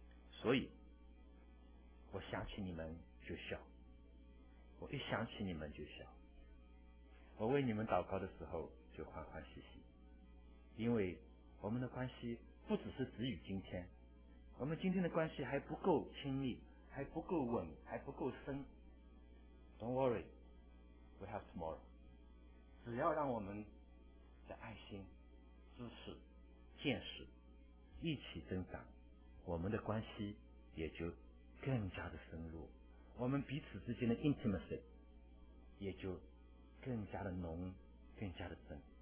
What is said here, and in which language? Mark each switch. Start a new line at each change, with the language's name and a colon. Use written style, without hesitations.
Chinese: 所以我想起你们就笑，我一想起你们就笑，我为你们祷告的时候就欢欢喜喜，因为我们的关系不只是止于今天，我们今天的关系还不够亲密，还不够稳，还不够深。
English: Don't worry, we have tomorrow.
Chinese: 只要让我们的爱心、知识、见识一起增长，我们的关系也就更加的深入，我们彼此之间的 intimacy 也就更加的浓、更加的深。